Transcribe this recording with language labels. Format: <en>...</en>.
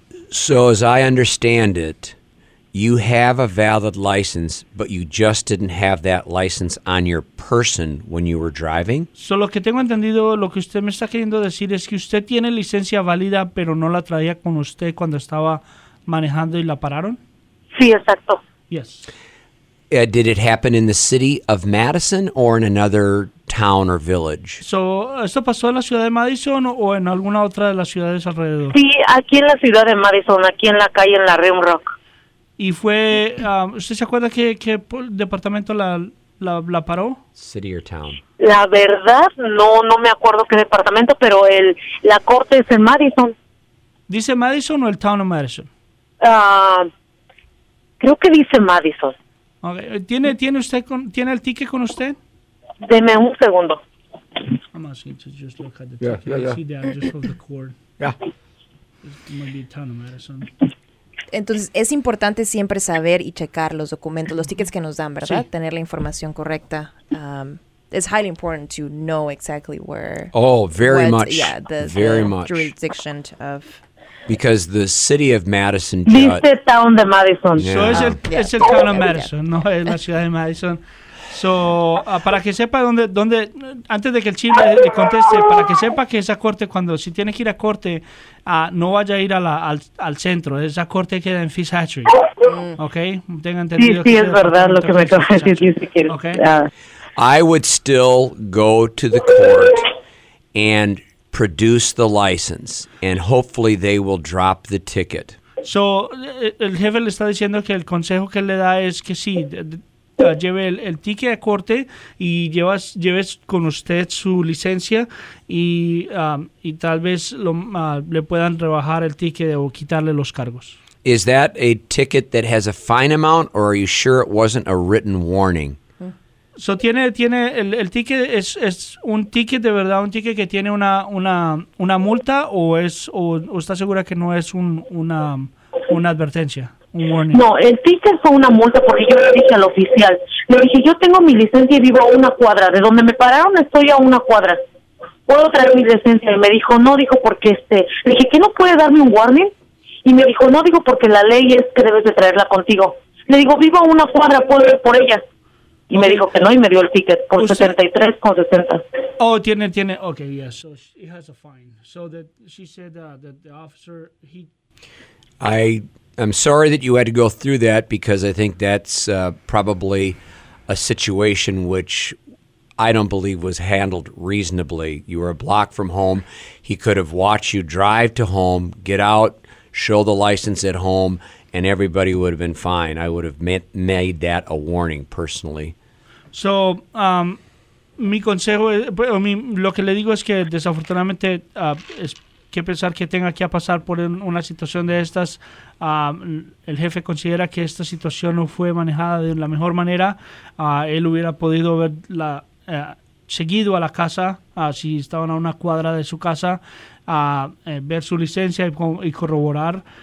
<en>So, as I understand it, you have a valid license, but you just didn't have that license on your person when you were driving?</en> <es>So, lo que tengo entendido, lo que usted me está queriendo decir es que usted tiene licencia válida, pero no la traía con usted cuando estaba manejando y la pararon? Sí, exacto.</es> <en>Yes. Did it happen in the city of Madison or in another town or village?</en> <es>So, ¿esto pasó en la ciudad de Madison o en alguna otra de las ciudades alrededor? Sí, aquí en la ciudad de Madison, aquí en la calle, en la Rimrock. ¿Y fue, usted se acuerda qué departamento la paró?</es> <en>City or town.</en> <es>La verdad, no me acuerdo qué departamento, pero la corte es en Madison. ¿Dice Madison o el town of Madison? Creo que dice Madison. Okay. ¿Tiene el ticket con usted? Deme un segundo.</es> <en>I'm asking to just look at the ticket. Yeah. See that, just hold the cord. Yeah. It might be town of Madison.</en> <es>Entonces, es importante siempre saber y checar los documentos, los tickets que nos dan, ¿verdad? Sí. Tener la información correcta.</es> <en>It's highly important to know exactly where... Oh, very much. Yeah, the jurisdiction of... Because the city of Madison...</en> <es>Dice town de Madison. Yeah. So, es el town of Madison, no es la ciudad de Madison. So, para que sepa dónde antes de que el chile le conteste, para que sepa que esa corte, cuando si tiene que ir a corte, no vaya a ir al centro. Esa corte queda en Fish Hatchery. ¿Ok? Tenga entendido. Sí, es verdad lo que me acaba de decir. Okay.</es> <en>I would still go to the court and produce the license, and hopefully they will drop the ticket.</en> <es>So, el jefe le está diciendo que el consejo que le da es que sí. Lleve el ticket a corte y lleves con usted su licencia y tal vez le puedan rebajar el ticket o quitarle los cargos. Is that a ticket that has a fine amount or are you sure it wasn't a written warning? So tiene el ticket es un ticket de verdad, un ticket que tiene una multa o está segura que no es una advertencia. No, el ticket fue una multa porque yo le dije al oficial. Le dije, yo tengo mi licencia y vivo a una cuadra. De donde me pararon estoy a una cuadra. ¿Puedo traer mi licencia? Y me dijo, no, dijo, porque Le dije, ¿qué no puede darme un warning? Y me dijo, no, dijo, porque la ley es que debes de traerla contigo. Le digo, vivo a una cuadra, puedo ir por ella. Y me dijo que no y me dio el ticket por 73.60.</es> <en>Oh,</en> <es>tiene.</es> <en>Okay, yes. So he has a fine. So that she said that the officer, I'm sorry that you had to go through that because I think that's probably a situation which I don't believe was handled reasonably. You were a block from home. He could have watched you drive to home, get out, show the license at home, and everybody would have been fine. I would have made that a warning personally.</en> <es>So, mi consejo, lo que le digo es que desafortunadamente es que pensar que tenga que pasar por una situación de estas. El jefe considera que esta situación no fue manejada de la mejor manera. Él hubiera podido ver la seguido a la casa, si estaban a una cuadra de su casa, ver su licencia y corroborar.</es>